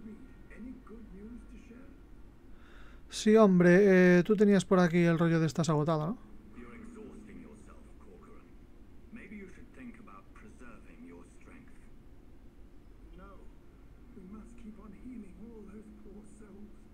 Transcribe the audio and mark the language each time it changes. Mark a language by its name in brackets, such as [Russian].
[English] Reed, any good news to share? [Spanish] Sí, hombre, tú tenías por aquí el rollo de estás agotado, ¿no? [English] You're exhausting yourself, Corcoran. Maybe you should think about preserving your strength. No. We must keep on healing all those poor souls.